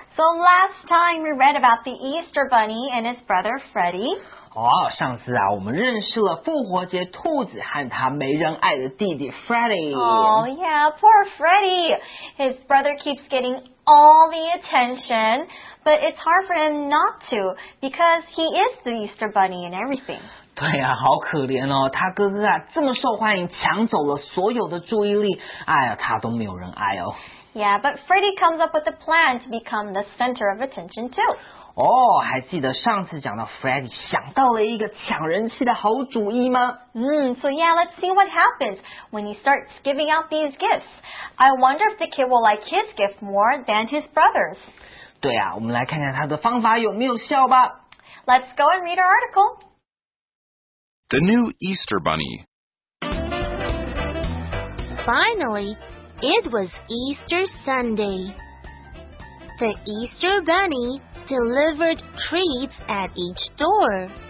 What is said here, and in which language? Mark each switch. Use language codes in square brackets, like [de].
[en] So last time we read about the Easter Bunny and his brother Freddy. [zh] 上次啊，我们认识了复活节兔子和他没人爱的弟弟 Freddy. [en] Oh yeah, poor Freddy. His brother keeps getting all the attention, but it's hard for him not to because he is the Easter Bunny and everything. [zh] 对啊，好可怜哦，他哥哥啊这么受欢迎，抢走了所有的注意力，哎呀，他都没有人爱哦。 [en] Yeah, but Freddy comes up with a plan to become the center of attention too. [zh] 哦，还记得上次讲到 Freddy 想到了一个抢人气的好主意吗？ [en] So yeah, let's see what happens when he starts giving out these gifts. I wonder if the kid will like his gift more than his brother's. [zh] 对啊，我们来看看他的方法有没有效吧。 [en] Let's go and read our article. The New Easter Bunny. Finally, it was Easter Sunday. The Easter Bunny delivered treats at each door.